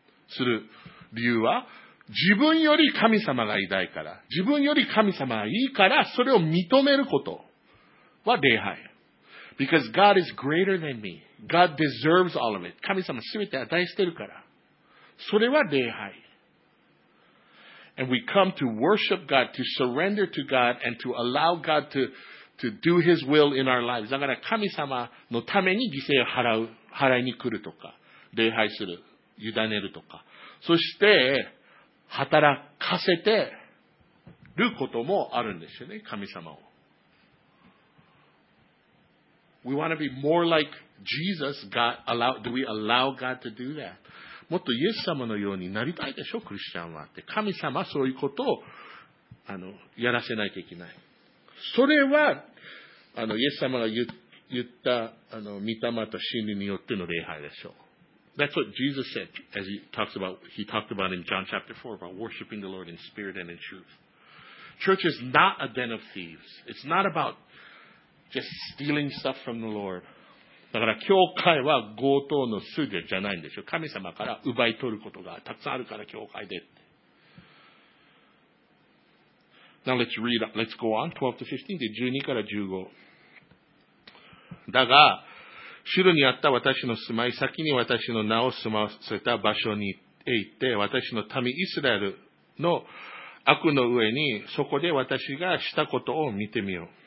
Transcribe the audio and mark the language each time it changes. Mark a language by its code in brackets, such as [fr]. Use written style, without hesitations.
[ja] する理由は、自分より神様が偉大から、自分より神様がいいから、それを認めることは礼拝。 [en] Because God is greater than me. God deserves all of it. [ja] 神様すべて与えしてるから。それは礼拝。 [en] And we come to worship God, to surrender to God, and to allow God to do His will in our lives. [ja] だから神様のために犠牲を払いに来るとか、礼拝する。委ねるとか、そして働かせてることもあるんですよね、神様を。 [en] We want to be more like Jesus. God allow, do we allow God to do that? [ja] もっとイエス様のようになりたいでしょ、クリスチャンはって。神様はそういうことをやらせないといけない。それはイエス様が言った御霊と真理によっての礼拝でしょう。 [en] That's what Jesus said as he talked about in John chapter 4 about worshiping the Lord in spirit and in truth. Church is not a den of thieves. It's not about just stealing stuff from the Lord. [ja] だから教会は強盗の巣じゃないんですよ。神様から奪い取ることがたくさんあるから教会でって。 [en] Now let's go on 12 to 15 [ja] で12から15。だが、主にあった私の住まい、先に私の名を住まわせた場所に行って、私の民イスラエルの悪の上に、そこで私がしたことを見てみよう。